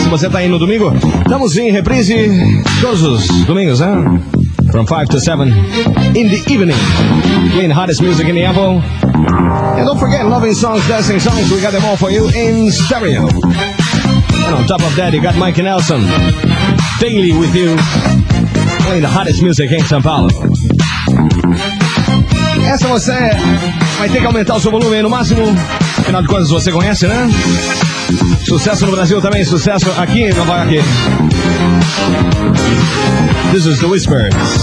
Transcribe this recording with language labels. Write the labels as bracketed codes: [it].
[pt] Se você tá aí no domingo, estamos em reprise todos os domingos, né? [en] From 5 to 7 in the evening. Playing hottest music in the Apple. And don't forget, loving songs, dancing songs. We got them all for you in stereo. And on top of that, you got Mike Nelson. Daily with you, playing the hottest music in São Paulo. [pt] Essa você vai ter que aumentar o seu volume aí no máximo. Afinal de contas, você conhece, né? Sucesso no Brasil também, sucesso aqui em Nova York. [en] This is the Whispers.